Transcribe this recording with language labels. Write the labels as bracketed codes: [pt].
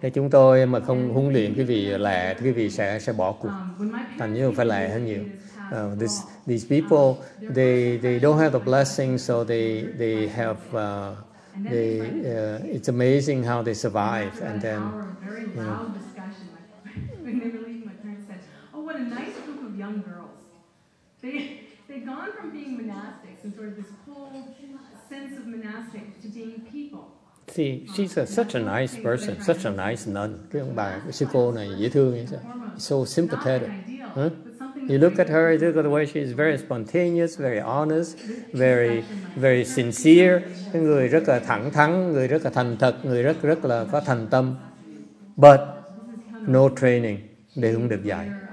[vi] Thế chúng tôi mà không huấn luyện quý vị lẹ, quý vị sẽ bỏ cuộc. Thành như phải lẹ hơn nhiều. [en] These people, they don't have the blessing, so they have. It's amazing how they survive. And after an hour of very loud discussion, when they were leaving, my parents said, oh, what a nice group of young girls. They've gone from being monastics and sort of this whole sense of monastic to being people. See, she's such a nice person, such a nice nun. [vi] Cái ông bà, sư cô này dễ thương, [en] so sympathetic. You look at her, you look at the way she's very spontaneous, very honest, very, very sincere. [vi] Cái người rất là thẳng thắn, người rất là thành thật, người rất rất là có thành tâm. [en] But no training, they [vi] không được dạy.